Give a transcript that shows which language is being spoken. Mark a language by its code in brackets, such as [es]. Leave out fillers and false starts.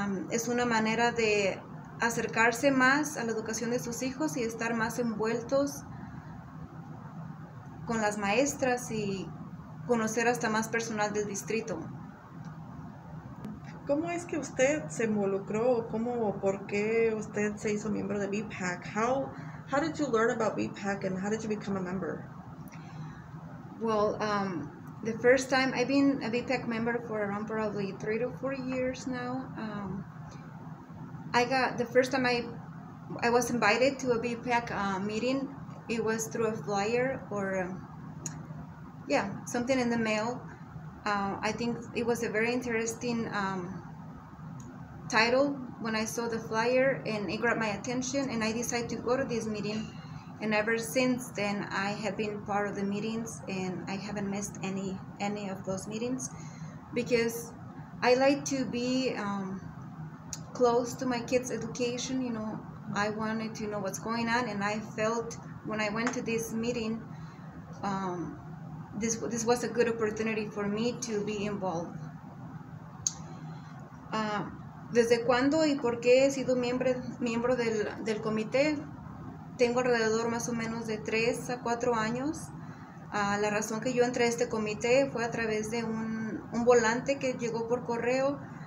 [es] Es una manera de acercarse más a la educación de sus hijos y estar más envueltos con las maestras y conocer hasta más personal del distrito. ¿Cómo es que usted se involucró? ¿Cómo o por qué usted se hizo miembro de BPAC? [en] How did you learn about BPAC and how did you become a member? Well, the first time I've been a BPAC member for around probably 3 to 4 years now. The first time I was invited to a BPAC meeting, it was through a flyer or something in the mail. I think it was a very interesting title when I saw the flyer, and it grabbed my attention, and I decided to go to this meeting. And ever since then, I have been part of the meetings, and I haven't missed any of those meetings because I like to be close to my kids' education. You know, I wanted to know what's going on, and I felt when I went to this meeting, this was a good opportunity for me to be involved. [es] ¿Desde cuándo y por qué he sido miembro del comité? Tengo alrededor más o menos de 3 a 4 años. La razón que yo entré a este comité fue a través de un volante que llegó por correo.